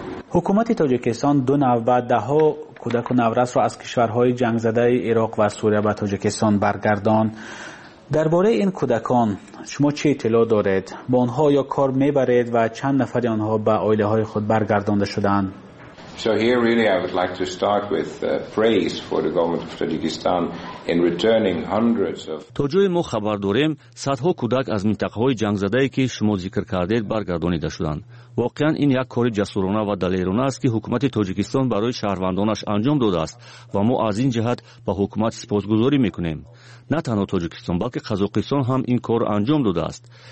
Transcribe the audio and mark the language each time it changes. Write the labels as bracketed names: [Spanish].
[Persian] حکومت تاجیکستان دو نوبت ده ها کودک و نوراس را از کشورهای جنگ زده عراق و سوریه به تاجیکستان برگردان. درباره این کودکان شما چه اطلاع دارید؟ با آنها یا کار میبرید و چند نفری آنها به آیله های خود برگردانده شدند؟ [English] So here really I would like to start with praise for the government of Tajikistan in returning hundreds of [Persian] تو جوی مو خبر داریم صدها کودک از منطقه های جنگ زده ای که شما ذکر کردید برگردانیده شدند. واقعا این یک کار جسورانه و دلیرانه است که حکومت تاجیکستان برای شهروندانش انجام داده است و ما از این جهت به حکومت سپاسگزاری میکنیم. نه تنها تاجیکستان بلکه قزاقستان هم این کار انجام داده است.